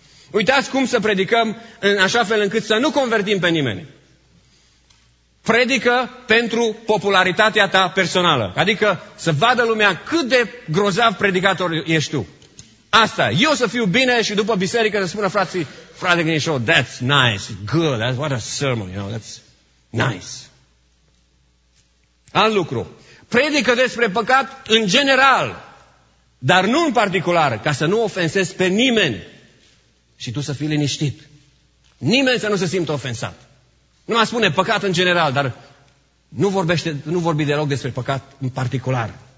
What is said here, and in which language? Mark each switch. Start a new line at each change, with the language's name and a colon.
Romanian: Uitați cum să predicăm în așa fel încât să nu convertim pe nimeni. Predică pentru popularitatea ta personală. Adică să vadă lumea cât de grozav predicator ești tu. Asta. Eu să fiu bine și după biserică să spună frații,
English: Friday evening show, that's nice, good, that's what a sermon, you know, that's nice.
Romanian: Alt lucru, predică despre păcat în general, dar nu în particular, ca să nu ofensezi pe nimeni și tu să fii liniștit. Nimeni să nu se simtă ofensat. Nu mai spune păcat în general, dar nu vorbește, nu vorbi deloc despre păcat în particular.